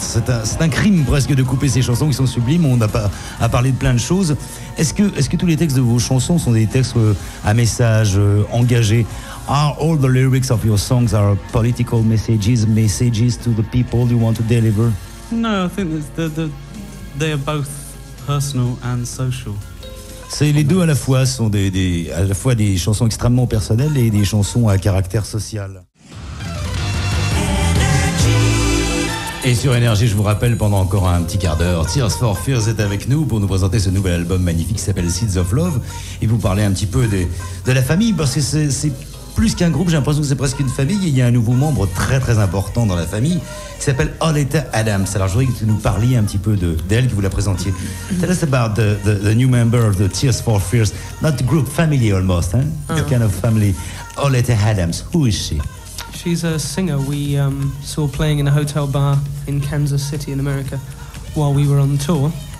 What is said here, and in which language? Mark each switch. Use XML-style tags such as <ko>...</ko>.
<fr>C'est un crime presque de couper ces chansons qui sont sublimes. On n'a pas à parler de plein de choses. Est-ce que tous les textes de vos chansons sont des textes à message engagé?</fr> <en>Are all the lyrics of your songs are political messages, messages to the people you want to deliver? No, I think they are both personal and social.</en> <fr>C'est les deux à la fois, sont des chansons extrêmement personnelles et des chansons à caractère social. Et sur Energy, je vous rappelle, pendant encore un petit quart d'heure, Tears for Fears est avec nous pour nous présenter ce nouvel album magnifique qui s'appelle Seeds of Love et vous parler un petit peu de la famille, parce que c'est plus qu'un groupe, j'ai l'impression que c'est presque une famille. Et il y a un nouveau membre très très important dans la famille qui s'appelle Aletta Adams. Alors je voudrais que vous nous parliez un petit peu d'elle, que vous la présentiez.</fr> <en>Tell us about the new member of the Tears for Fears, not the group, family almost, hein? Huh? Kind of family. Aletta Adams, who is she? She's a singer we saw playing in a hotel bar in Kansas City in America while we were on tour.</en>